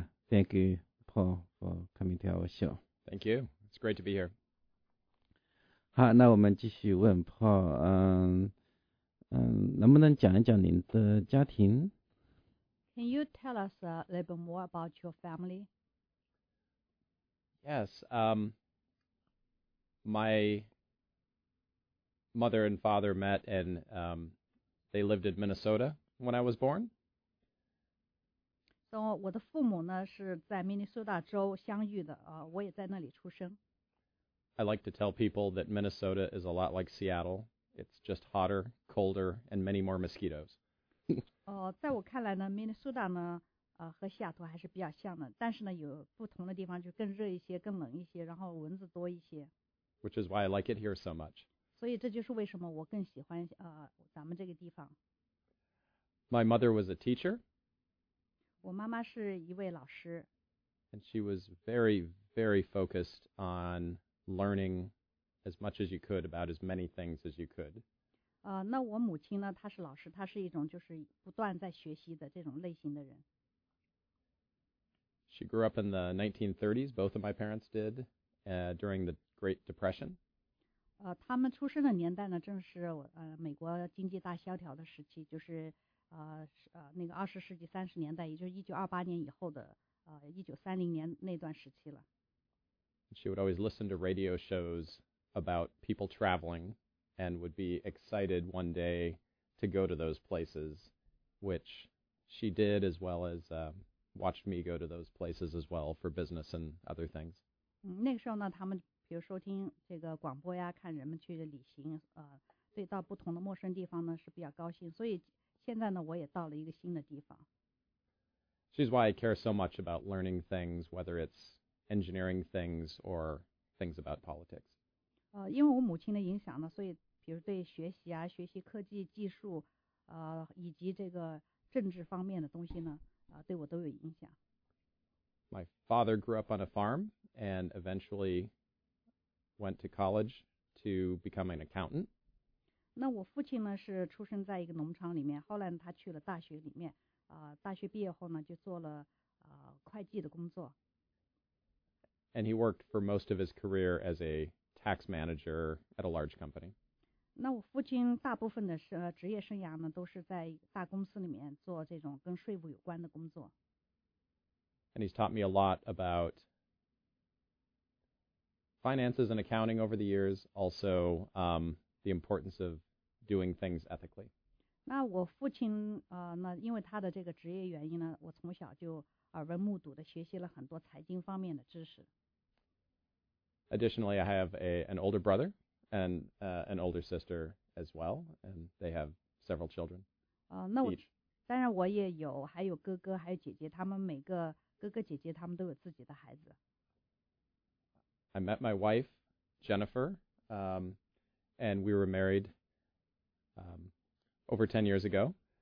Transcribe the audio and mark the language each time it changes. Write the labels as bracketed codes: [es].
[en] Thank you, Paul, for coming to our show. Thank you. It's great to be here. [zh] 好，那我们继续问 Paul， 能不能讲一讲您的家庭？ [en] Can you tell us a little bit more about your family? Yes. My mother and father met and they lived in Minnesota when I was born. [zh] So, 我的父母呢是在明尼苏达州相遇的，我也在那里出生。 [en] I like to tell people that Minnesota is a lot like Seattle. It's just hotter, colder, and many more mosquitoes. [zh] 在我看来呢，明尼苏达呢，和西雅图还是比较像的，但是呢，有不同的地方就更热一些，更冷一些，然后蚊子多一些。 [en] Which is why I like it here so much. [zh] 所以这就是为什么我更喜欢咱们这个地方。 [en] My mother was a teacher. [zh] 我妈妈是一位老师。 [en] And she was very, very focused on learning as much as you could about as many things as you could. [zh] 那我母亲呢，她是老师，她是一种就是不断在学习的这种类型的人。 [en] She grew up in the 1930s, both of my parents did, during the Great Depression. [zh] 他们出生的年代呢，正是美国经济大萧条的时期，就是那个20世纪30年代，也就是1928年以后的1930年那段时期了。 [en] She would always listen to radio shows about people traveling and would be excited one day to go to those places, which she did, as well as watched me go to those places as well for business and other things. [zh] 那个时候呢，他们。比如收听这个广播呀，看人们去旅行，对到不同的陌生地方呢是比较高兴。所以现在呢，我也到了一个新的地方。 [en] She's why I care so much about learning things, whether it's engineering things or things about politics. [zh] 因为我母亲的影响呢，所以比如对学习啊、学习科技技术，以及这个政治方面的东西呢，对我都有影响。 [en] My father grew up on a farm and eventually. Went to college to become an accountant. [zh] 那我父亲呢是出生在一个农场里面，后来他去了大学里面，大学毕业后呢就做了会计的工作。 [en] And he worked for most of his career as a tax manager at a large company. [zh] 那我父亲大部分的职业生涯呢都是在大公司里面做这种跟税务有关的工作。 [en] And he's taught me a lot about. Finances and accounting over the years, also the importance of doing things ethically. [zh] 那我父亲那因为他的这个职业原因呢，我从小就耳闻目睹的学习了很多财经方面的知识。 [en] Additionally, I have an older brother and an older sister as well, and they have several children. [zh] 那我当然我也有，还有哥哥，还有姐姐，他们每个哥哥姐姐他们都有自己的孩子。 [en] I met my wife, Jennifer, and we were married over 10 years ago.